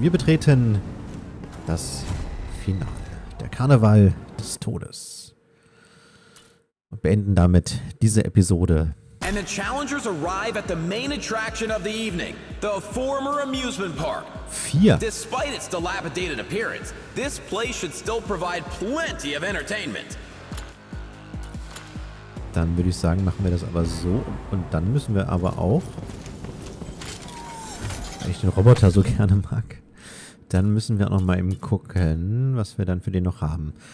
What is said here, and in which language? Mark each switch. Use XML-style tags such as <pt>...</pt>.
<de>Wir betreten das Finale, der Karneval des Todes. Und beenden damit diese Episode.</de> <en>And the challengers arrive at the main attraction of the evening, the former amusement park.</en> <de>Vier.</de> <en>Despite its dilapidated appearance, this place should still provide plenty of entertainment.</en> <de>Dann würde ich sagen, machen wir das aber so. Und dann müssen wir aber auch, weil ich den Roboter so gerne mag, dann müssen wir auch nochmal eben gucken, was wir dann für den noch haben.</de>